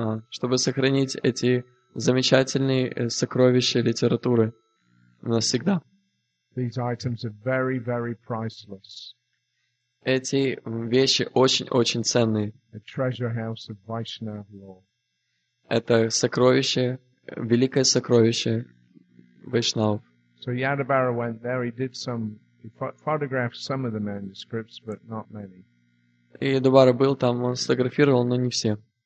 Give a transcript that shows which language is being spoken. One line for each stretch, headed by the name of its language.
Russian: чтобы сохранить эти замечательные сокровища литературы навсегда.
English: These items are very, very priceless.
Russian: Эти вещи очень-очень ценные.
English: A treasure house of Vaishnav lore.
Russian: Это сокровище, великое сокровище...
English: So Yadubara went there. He did some, he photographed some of the manuscripts, but not many.
Russian: И Ядубара был там, он сфотографировал, но не все.